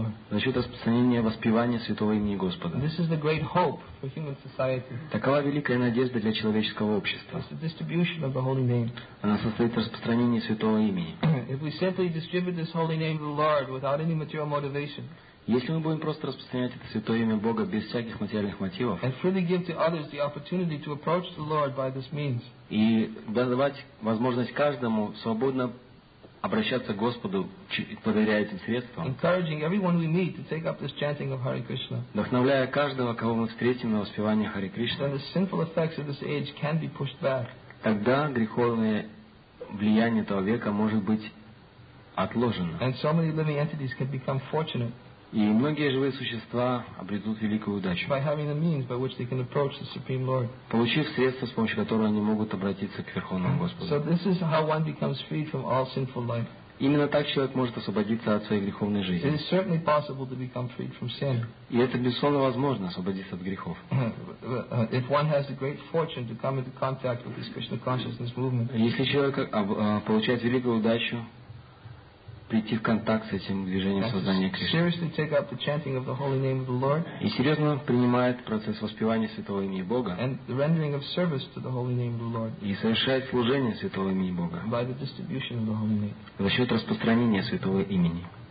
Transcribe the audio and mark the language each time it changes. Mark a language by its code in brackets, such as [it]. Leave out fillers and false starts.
[ru] За счет распространения воспевания Святого Имени Господа. [en] This is the great hope for human society. [ru] Такова великая надежда для человеческого общества. [en] It's the distribution of the holy name. [ru] Она состоит в распространении Святого Имени. [en] If we simply distribute this holy name of the Lord without any material motivation, [ru] если мы будем просто распространять это Святое Имя Бога без всяких материальных мотивов, [en] and freely give to others the opportunity to approach the Lord by this means, [ru] и давать возможность каждому свободно обращаться к Господу благодаря этим средствам, [en] encouraging everyone we meet to take up this chanting of Hare Krishna, [ru] вдохновляя каждого, кого мы встретим на воспевание Харе Кришна, [en] then the sinful effects of this age can be pushed back. [ru] Тогда греховное влияние этого века может быть отложено. [en] And so many living entities can become fortunate. [ru] И многие живые существа обретут великую удачу, [en] by having the means by which they can approach the Supreme Lord. [ru] Получив средства, с помощью которых они могут обратиться к Верховному Господу. [en] So this is how one becomes freed from all sinful life. [ru] Именно так человек может освободиться от своей греховной жизни. [en] It is certainly possible to become freed from sin. [ru] И это безусловно возможно, освободиться от грехов. [en] If one has the great fortune to come into contact with this Krishna consciousness movement. [ru] Если человек получает великую удачу прийти в контакт с этим движением сознания Кришны и серьезно принимает процесс воспевания Святого Имени Бога и совершает служение Святого Имени Бога за счет распространения Святого Имени.